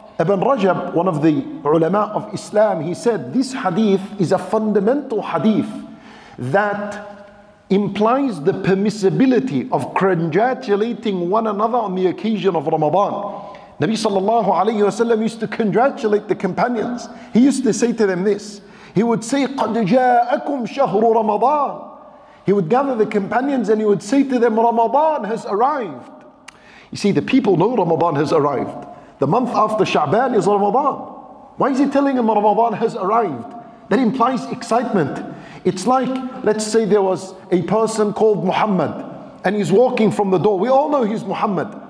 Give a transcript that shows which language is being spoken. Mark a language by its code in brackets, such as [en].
[en] Ibn Rajab, one of the ulama of Islam, he said, this hadith is a fundamental hadith that implies the permissibility of congratulating one another on the occasion of Ramadan. Nabi sallallahu alayhi wa sallam used to congratulate the companions. He used to say to them this. He would say, [ar] قَدْ جَاءَكُمْ شَهْرُ رَمَضَانِ. [en] He would gather the companions and he would say to them, Ramadan has arrived. You see, the people know Ramadan has arrived. The month after Sha'ban is Ramadan. Why is he telling them Ramadan has arrived? That implies excitement. It's like, let's say there was a person called Muhammad and he's walking from the door. We all know he's Muhammad.